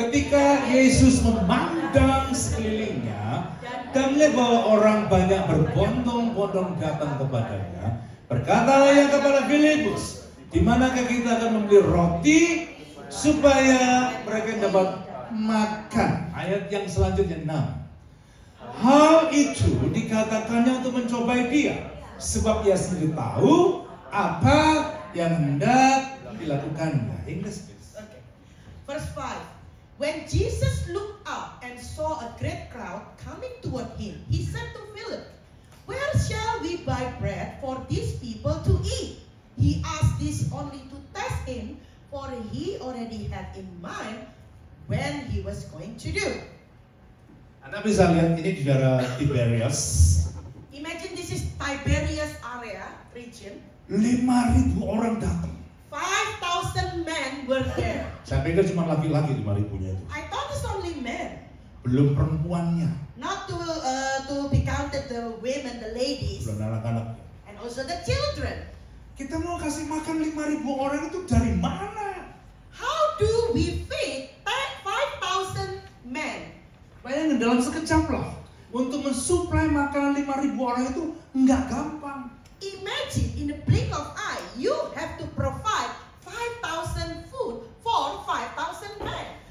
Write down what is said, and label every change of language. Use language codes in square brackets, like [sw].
[id] Ketika Yesus memandang sekelilingnya dan melihat bahwa orang banyak berbondong-bondong datang kepadanya, berkatalah ia kepada Filipus, di manakah kita akan membeli roti supaya mereka dapat makan? Ayat yang selanjutnya 6. Hal itu dikatakannya untuk mencobai dia, sebab ia sendiri tahu apa yang hendak dilakukannya. [en] English, please. Okay. Verse 5. When Jesus looked up and saw a great crowd coming toward him, he said to Philip, "Where shall we buy bread for these people to eat?" He asked this only to test him, for he already had in mind when he was going to do. [id] Anda bisa lihat ini di daerah Tiberias. [en] Imagine this is Tiberias area region. [id] 5,000 orang datang. [en] 5,000 men were there. [id] Saya pikir cuma laki-laki 5,000-nya itu. [en] I thought it's only men. [id] Belum perempuannya. [en] Not to to be counted the women, the ladies. [id] Belum anak-anak. [en] And also the children. [id] Kita mau kasih makan 5,000 orang itu dari mana? [en] How do we feed 5,000 men? [id] Bayangin dalam sekejap lah. Untuk mensuplai makanan 5,000 orang itu enggak gampang. [en] Imagine in the blink of eye you have to provide 5,000 food for 5,000 men.